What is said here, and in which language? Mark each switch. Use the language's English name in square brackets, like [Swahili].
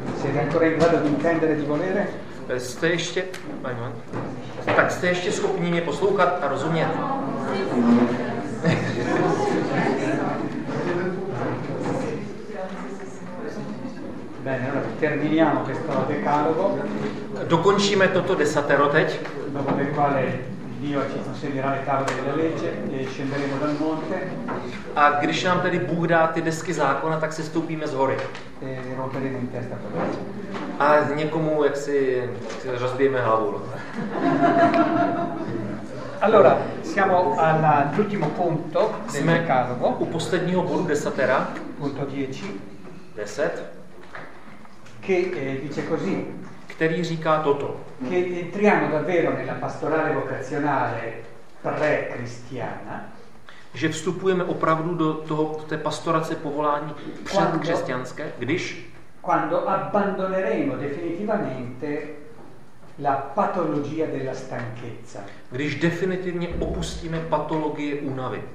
[Italian] siete ancora in grado di intendere e di volere? [Czech] Jste ještě, tak jste ještě schopni mě poslouchat a rozumět. [Italian] Bene, allora terminiamo questo decalogo. [Czech] Dokončíme toto desatero teď. [Italian] Dopo del quale Dio ci consegnerà le tavole della legge e scenderemo dal monte. [Czech] A když nám tedy Bůh dá ty desky zákona, tak se stoupíme z hory. [Italian] E romperemo in testa per legge. [Czech] A někomu, jak si rozbijeme hlavu. [Italian] Allora, siamo all'ultimo punto del decalogo. [Czech] U posledního bodu desatera. [Italian] Punto 10. [Czech] 10. [Italian] Che dice così. [Czech] Který říká toto. [Italian] Che entriamo davvero nella pastorale vocazionale pre-cristiana. [Czech] Že vstupujeme opravdu do toho, té pastorace povolání předkřesťanské, když? [Italian] Quando abbandoneremo definitivamente la patologia della stanchezza. [Czech] Když definitivně opustíme patologie únavy.